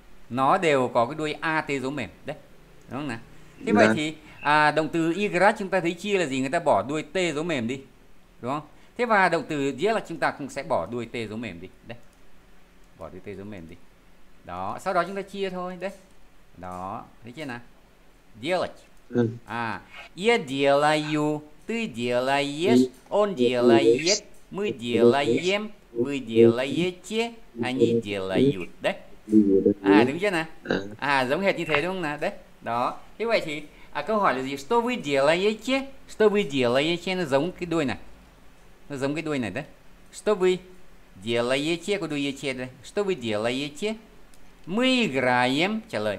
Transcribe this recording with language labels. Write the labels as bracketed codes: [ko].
[vi] Nó đều có cái đuôi at dấu mềm, đấy. Đúng không nào? Thế vậy thì à, động từ играть chúng ta thấy chia là gì? Người ta bỏ đuôi t dấu mềm đi. Đúng không? Thế và động từ nghĩa là chúng ta cũng sẽ bỏ đuôi t dấu mềm đi, đấy. Bỏ đuôi t dấu mềm đi. Đó, sau đó chúng ta chia thôi, đấy. Đó, thấy chưa nào? Делать. [ru] À, я делаю, ты делаешь, он делает, мы делаем, вы делаете, они делают, đấy. [vi] À, đúng chưa nào? À, giống hệt như thế đúng không nào? Đấy. Đó. Thế vậy thì à, câu hỏi là gì? [ru] Что вы делаете? Что вы делаете? [vi] Nó giống cái đuôi này. Nó giống cái đuôi này đấy. [ru] Что вы делаете? [vi] Có đuôi ете đây. [ru] Что вы делаете? Мы играем. [vi] Trả lời.